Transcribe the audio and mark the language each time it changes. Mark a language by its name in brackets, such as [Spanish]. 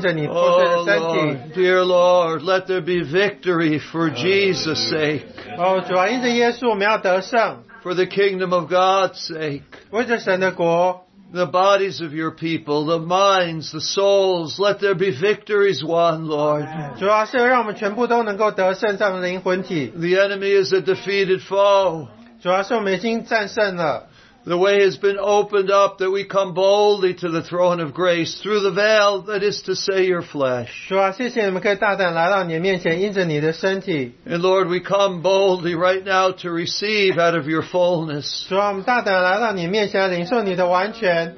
[English] Oh, Lord, dear Lord, let there be victory for Jesus' sake. [Chinese] Oh, 主啊,因着耶稣我们要得胜, [English] for the kingdom of God's sake. [Chinese] 为着神的国, [English] the bodies of your people, the minds, the souls, let there be victories won, Lord. [Chinese] 主要是让我们全部都能够得胜这样的灵魂体。 [English] The enemy is a defeated foe. [Chinese] 主要是我们已经战胜了。 [English] The way has been opened up that we come boldly to the throne of grace through the veil that is to say your flesh. [Chinese] 主啊,谢谢你们可以大胆来到你面前,因着你的身体。 [English] And Lord, we come boldly right now to receive out of your fullness. [Chinese] 主啊,我们大胆来到你面前,领受你的完全。